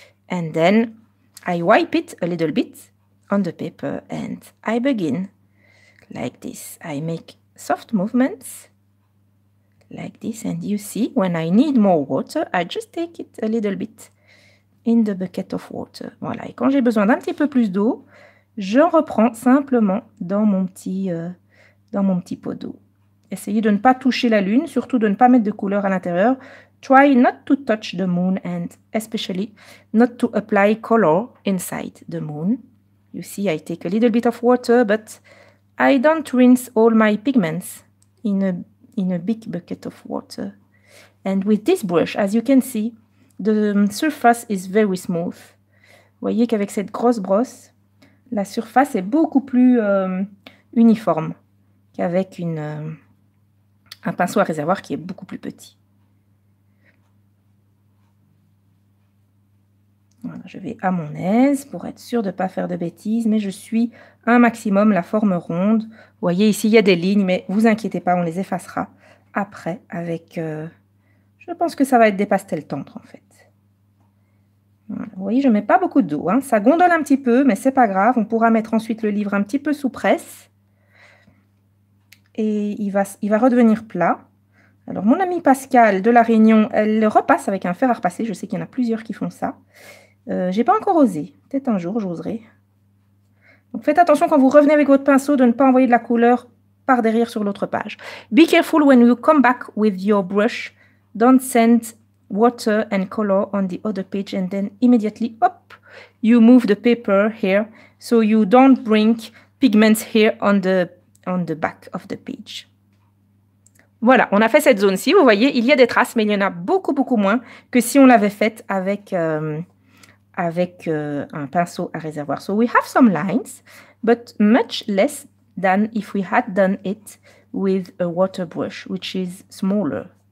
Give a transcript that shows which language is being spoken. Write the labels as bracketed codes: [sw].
[en] And then, I wipe it a little bit on the paper and I begin like this. I make soft movements like this and you see when I need more water, I just take it a little bit in the bucket of water. [fr] Voilà, et quand j'ai besoin d'un petit peu plus d'eau, je reprends simplement dans mon petit pot d'eau. Essayez de ne pas toucher la lune, surtout de ne pas mettre de couleur à l'intérieur. [en] Try not to touch the moon and especially not to apply color inside the moon. You see, I take a little bit of water, but I don't rinse all my pigments in a big bucket of water. And with this brush, as you can see, the surface is very smooth. [fr] Vous voyez qu'avec cette grosse brosse, la surface est beaucoup plus uniforme qu'avec un pinceau à réservoir qui est beaucoup plus petit. Je vais à mon aise pour être sûre de ne pas faire de bêtises, mais je suis un maximum la forme ronde. Vous voyez ici, il y a des lignes, mais ne vous inquiétez pas, on les effacera après avec... je pense que ça va être des pastels tendres en fait. Voilà. Vous voyez, je ne mets pas beaucoup d'eau. Hein. Ça gondole un petit peu, mais ce n'est pas grave. On pourra mettre ensuite le livre un petit peu sous presse. Et il va redevenir plat. Alors mon amie Pascale de La Réunion, elle repasse avec un fer à repasser. Je sais qu'il y en a plusieurs qui font ça. J'ai pas encore osé. Peut-être un jour, j'oserai. Donc faites attention quand vous revenez avec votre pinceau de ne pas envoyer de la couleur par derrière sur l'autre page. [en] Be careful when you come back with your brush. Don't send water and color on the other page and then immediately, hop, you move the paper here so you don't bring pigments here on the back of the page. [fr] Voilà, on a fait cette zone-ci. Vous voyez, il y a des traces, mais il y en a beaucoup, beaucoup moins que si on l'avait faite avec, un pinceau à réservoir. [en] So, we have some lines, but much less than if we had done it with a water brush, which is smaller.